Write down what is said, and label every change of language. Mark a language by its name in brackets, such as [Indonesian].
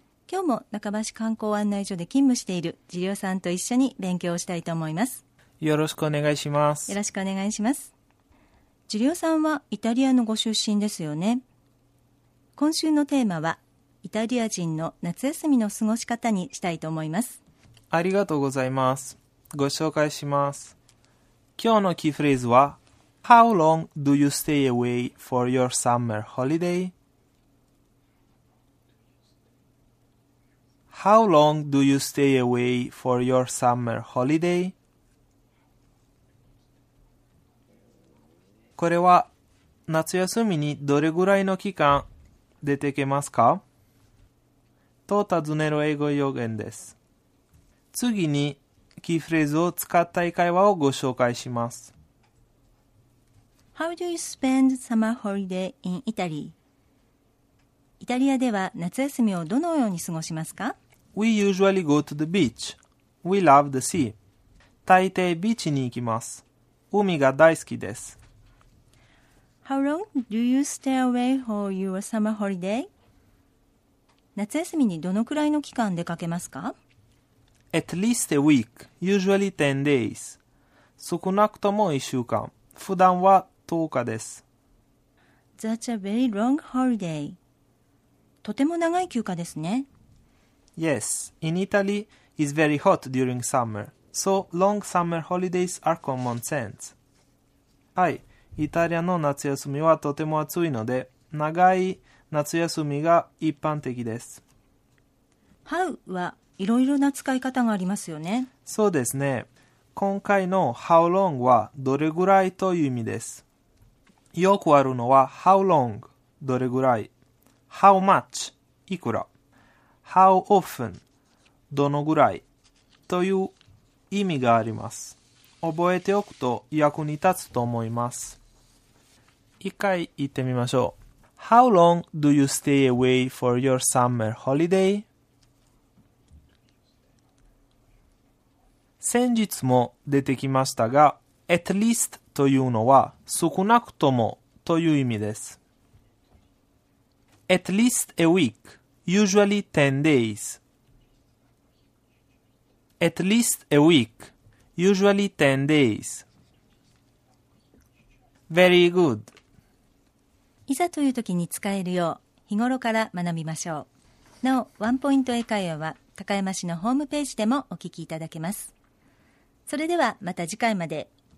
[Japanese] 今日も中橋観光案内所で勤務しているジリオさんと一緒に勉強したいと思います。よろしくお願いします。よろしくお願いします。ジリオさんはイタリアのご出身ですよね。今週のテーマはイタリア人の夏休みの過ごし方にしたいと思います。ありがとうございます。ご紹介します。今日のキーフレーズは [English] How long do you stay away for your summer holiday? How long do you stay away for your summer holiday? [Japanese] これは夏休みにどれぐらいの期間出てけますかと尋ねる英語用言です。次にキーフレーズを使った会話をご紹介します。 [English] How do you spend summer holiday in Italy? [Japanese] イタリアでは夏休みをどのように過ごしますか？ [English] We usually go to the beach. We love the sea. [Japanese] 大抵ビーチに行きます。海が大好きです。 [English] How long do you stay away for your summer holiday? [Japanese] 夏休みにどのくらいの期間出かけますか? [English] At least a week, usually 10 days. [Japanese] 少なくとも1週間。普段は10日です。 [English] That's a very long holiday. [Japanese] とても長い休暇ですね。 [English] Yes, in Italy, it's very hot during summer. So, long summer holidays are common sense. [Japanese] はい、イタリアの夏休みはとても暑いので、長い夏休みが一般的です。 How はいろいろな使い方がありますよね。そうですね。今回の How long はどれぐらいという意味です。よくあるのは How long どれぐらい、How much いくら、How often どのぐらいという意味があります。覚えておくと役に立つと思います。一回言ってみましょう。 [English] How long do you stay away for your summer holiday? [Japanese] 先日も出てきましたが、at least というのは少なくともという意味です。 [English] At least a week, usually 10 days. At least a week, usually 10 days. Very good. [Japanese] いざという時に使えるよう日頃から学びましょう。なおワンポイント英会話は高山市のホームページでもお聞きいただけます。それではまた次回まで。